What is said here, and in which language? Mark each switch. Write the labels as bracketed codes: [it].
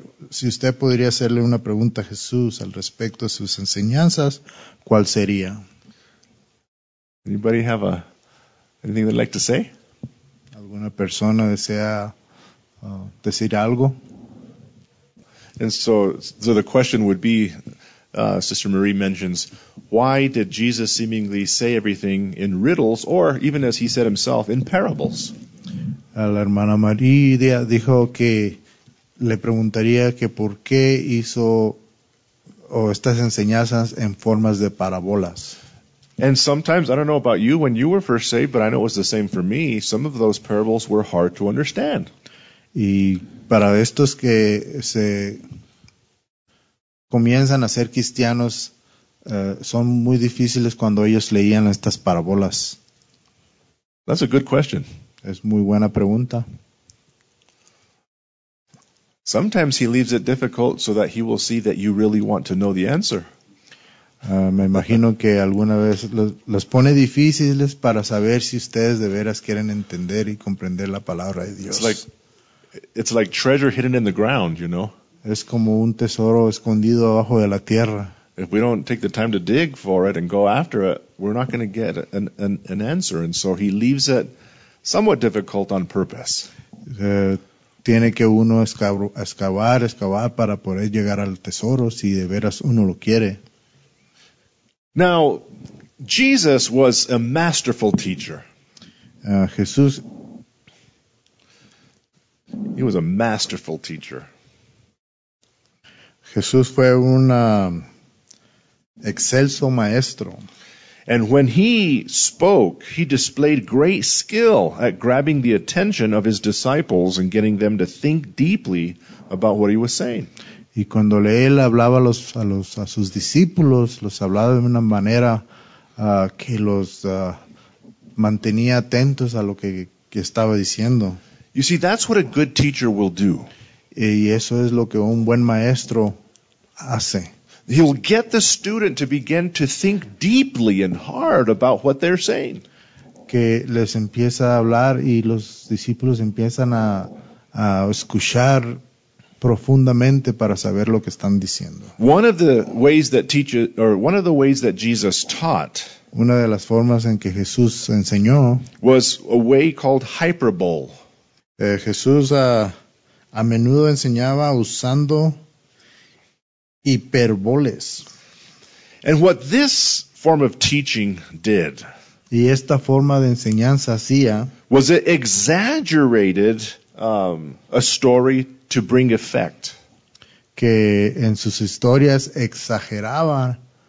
[es] Si usted podría hacerle una pregunta a Jesús al respecto de sus enseñanzas, ¿cuál sería? [en] Anybody have anything they'd like to say? [es] ¿Alguna persona desea decir algo? [en] And so the question would be, Sister Marie mentions, why did Jesus seemingly say everything in riddles, or even as he said himself, in parables? [es] La hermana Marie dijo que le preguntaría que por qué hizo estas enseñanzas en formas de parábolas. [en] And sometimes, I don't know about you, when you were first saved, but I know it was the same for me, some of those parables were hard to understand. [es] Y para estos que se comienzan a ser cristianos, son muy difíciles cuando ellos leían estas parábolas. [en] That's a good question. [es] Es muy buena pregunta. [en] Sometimes he leaves it difficult so that he will see that you really want to know the answer. [es] Me imagino que alguna vez los pone difíciles para saber si ustedes de veras quieren entender y comprender la palabra de Dios. [en] It's like treasure hidden in the ground, you know. [es] Es como un tesoro escondido abajo de la tierra. [en] If we don't take the time to dig for it and go after it, we're not going to get an answer. And so he leaves it somewhat difficult on purpose. [es] Tiene que uno excavar para poder llegar al tesoro si de veras uno lo quiere. [en] Now, Jesus was a masterful teacher. [es] Jesús. [en] He was a masterful teacher. [es] Jesús fue un excelso maestro. [en] And when he spoke, he displayed great skill at grabbing the attention of his disciples and getting them to think deeply about what he was saying. [es] Y cuando él hablaba a sus discípulos, los hablaba de una manera que los mantenía atentos a lo que estaba diciendo. [en] You see, that's what a good teacher will do. [es] Y eso es lo que un buen maestro hace. [en] He'll get the student to begin to think deeply and hard about what they're saying. [es] Que les empieza a hablar y los discípulos empiezan a escuchar profundamente para saber lo que están diciendo. [en] One of the ways that Jesus taught. [es] Una de las formas en que Jesús enseñó. [en] Was a way called hyperbole. [es] Jesús a menudo enseñaba usando hiperboles. [en] And what this form of teaching did, [es] y esta forma de enseñanza hacía, [en] was it exaggerated a story to bring effect. [es] Que en sus historias exageraba